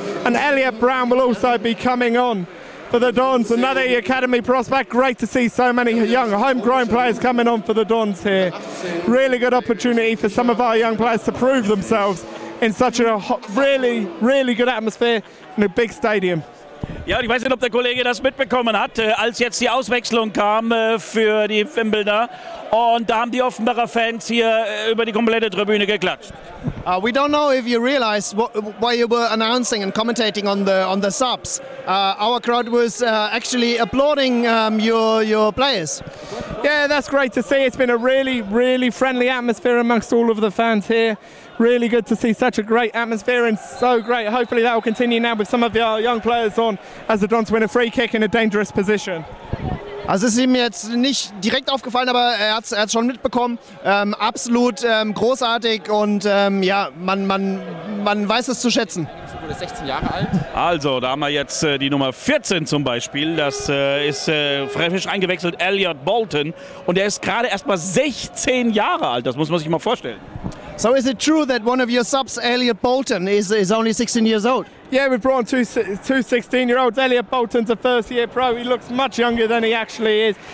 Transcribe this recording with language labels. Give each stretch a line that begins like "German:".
English: And Elliot Brown will also be coming on. For the Dons, another academy prospect. Great to see so many young, homegrown players coming on for the Dons here. Really good opportunity for some of our young players to prove themselves in such a really, really good atmosphere in a big stadium.
German: Ja, ich weiß nicht, ob der Kollege das mitbekommen hat, als jetzt die Auswechslung kam für die Wimbledoner. Und da haben die Offenbacher Fans hier über die komplette Tribüne geklatscht.
English: We don't know if you realized why you were announcing and commentating on the subs. Our crowd was actually applauding your players. Yeah, that's great to see. It's been a really, really friendly atmosphere amongst all of the fans here. really good to see such a great atmosphere and so great. Hopefully that will continue now with some of our young players on, as the Dons win a free kick in a dangerous position.
German: Also es ist ihm jetzt nicht direkt aufgefallen, aber er hat es schon mitbekommen. Absolut großartig und ja, man weiß es zu schätzen. Du bist 16 Jahre alt. Also da haben wir jetzt die Nummer 14 zum Beispiel. Das ist frisch eingewechselt, Elliot Bolton. Und er ist gerade erst mal 16 Jahre alt, das muss man sich mal vorstellen.
English: So is it true that one of your subs, Elliot Bolton, is only 16 years old? Yeah, we've brought on two 16-year-olds. Elliot Bolton's a first-year pro. He looks much younger than he actually is.